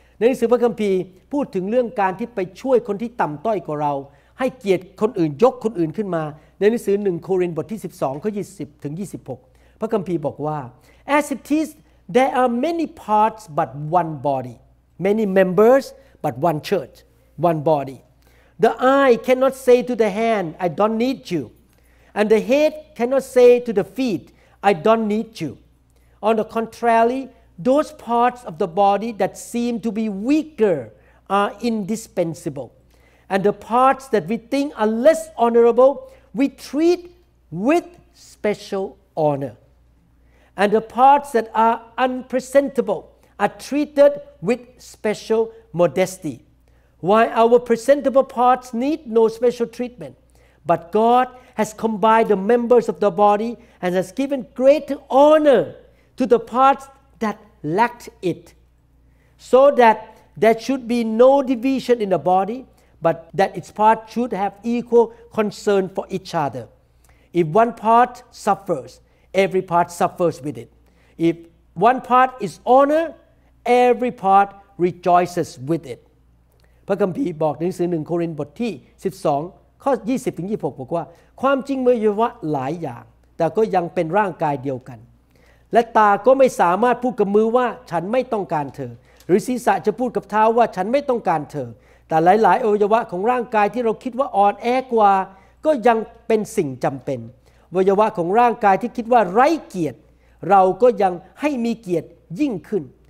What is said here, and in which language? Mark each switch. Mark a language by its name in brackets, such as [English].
[Thai] ในหนังสือพระคัมภีร์พูดถึงเรื่องการที่ไปช่วยคนที่ต่ำต้อยกว่าเราให้เกียรติคนอื่นยกคนอื่นขึ้นมาในหนังสือ1โครินธ์บทที่12ข้อ20ถึง26พระคัมภีร์บอกว่า [English] As it is there are many parts but one body many members but one church one body The eye cannot say to the hand I don't need you and the head cannot say to the feetI don't need you. On the contrary, those parts of the body that seem to be weaker are indispensable. And the parts that we think are less honorable, we treat with special honor. And the parts that are unpresentable are treated with special modesty. Why our presentable parts need no special treatment? But God has combined the members of the body and has given great honor to the parts that lacked it, so that there should be no division in the body, but that its parts should have equal concern for each other. If one part suffers, every part suffers with it. If one part is honored, every part rejoices with it. [Thai] พระคัมภีร์บอกในหนังสือ1โครินธ์บทที่12ข้อ20ถึง26บอกว่าความจริงมีอวัยวะหลายอย่างแต่ก็ยังเป็นร่างกายเดียวกันและตาก็ไม่สามารถพูดกับมือว่าฉันไม่ต้องการเธอหรือศีรษะจะพูดกับเท้าว่าฉันไม่ต้องการเธอแต่หลายๆอวัยวะของร่างกายที่เราคิดว่าอ่อนแอกว่าก็ยังเป็นสิ่งจำเป็นอวัยวะของร่างกายที่คิดว่าไร้เกียรติเราก็ยังให้มีเกียรติยิ่งขึ้น